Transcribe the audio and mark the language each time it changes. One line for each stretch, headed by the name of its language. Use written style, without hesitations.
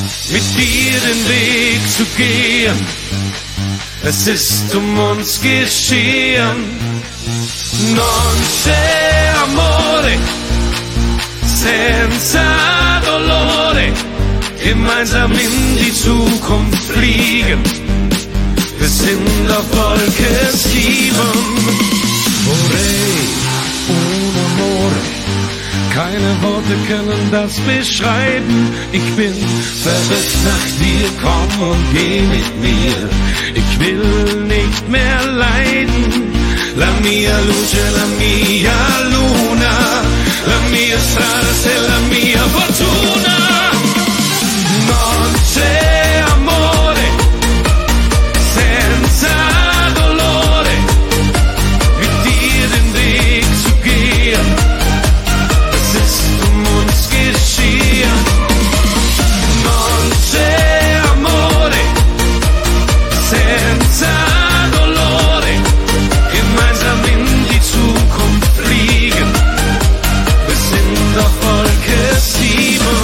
German: Mit dir den Weg zu gehen, es ist um uns geschehen.
Italian: Non c'è amore senza dolore.
German: Gemeinsam in die Zukunft fliegen, wir sind auf Wolke 7.
Italian: Vorrei un amore,
German: keine Worte können das beschreiben. Ich bin verrückt nach dir, komm und geh mit mir. Ich will nicht mehr leiden.
Italian: La mia luce, la mia luna, la mia strada, se la mia fortuna. Non c'è amore senza dolore.
German: Mit dir den Weg zu gehen, es ist um uns geschehen.
Italian: Non c'è amore senza dolore.
German: Gemeinsam in die Zukunft fliegen, wir sind auf Wolke 7.